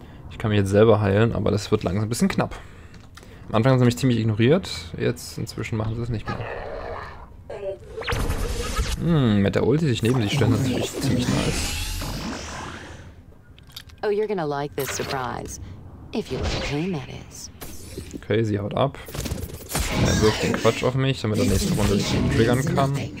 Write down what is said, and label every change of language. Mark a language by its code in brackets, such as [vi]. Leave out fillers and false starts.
[de] Ich kann mich jetzt selber heilen, aber das wird langsam ein bisschen knapp. Am Anfang haben sie mich ziemlich ignoriert, jetzt inzwischen machen sie es nicht mehr. Mit der Ulti sich neben sie stellen, das ist natürlich ziemlich nice. [en] Oh, you're gonna like this surprise. If you like pain, that is. [de] Okay, sie haut ab. Er wirft den Quatsch auf mich, damit er nächste Runde nicht triggern kann.